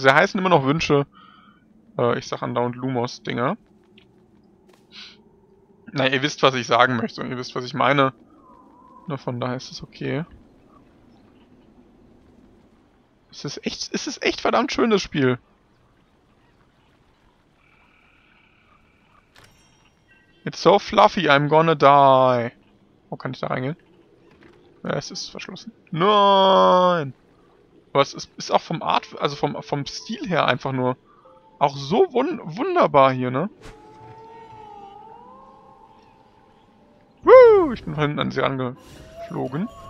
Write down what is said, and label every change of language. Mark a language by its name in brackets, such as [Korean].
[German] Sie heißen immer noch Wünsche. Ich sag andauernd Lumos-Dinger. Na, ihr wisst, was ich sagen möchte. Und ihr wisst, was ich meine. Na, von daher ist es okay. Es ist echt verdammt schön, das Spiel. [English] It's so fluffy, I'm gonna die. [German] Wo kann ich da reingehen? Ja, es ist verschlossen. Nein! Aber es ist auch vom Art, also vom Stil her einfach nur auch so wunderbar hier, ne? Woo! Ich bin von hinten an sie angeflogen.